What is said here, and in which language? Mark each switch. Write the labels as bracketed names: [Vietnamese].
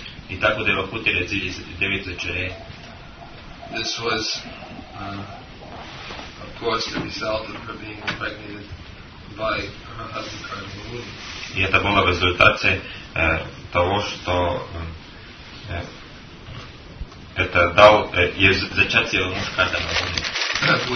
[Russian] Итак, у Девахути родились 9 дочерей. [English] This was, of course, the result of her being impregnated by her husband, Cardinal Muni. [Russian] И это было в результате того, что это дал зачатие его муж